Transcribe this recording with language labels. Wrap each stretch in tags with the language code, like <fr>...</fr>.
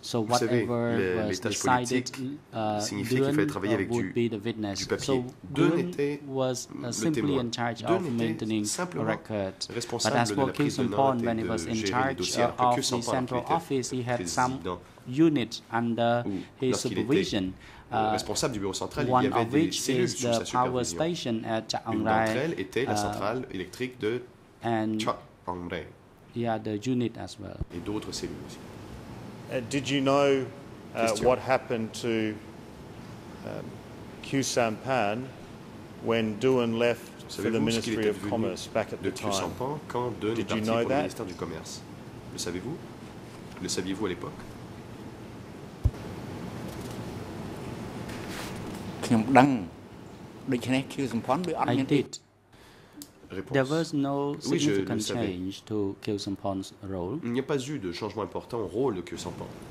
<en>So whatever was decided, Dunn would be the witness. So Dunn was simply in charge of maintaining a record. But as for Kyu Sompon, when he was in charge of the central office, he had some units under his supervision.</en> <fr>Responsable du bureau central, il y avait des cellules sous sa supervision. Une d'entre elles était la centrale électrique de Chang Rai.</fr> <en>Yeah, the unit as well.</en> <fr>Et d'autres cellules aussi.</fr> <en>Did you know what happened to Kyu Sompon when Dewan left for the Ministry of Commerce back at the time?</en> <fr>Kyu Sompon quand Dewan est parti pour le ministère du commerce. Le savez-vous? Le saviez-vous à l'époque?</fr> <en>I did. There was no significant change to Kyu Sompon's role.</en> <fr>Il n'y a pas eu de changement important au rôle de Kyu Sompon.</fr>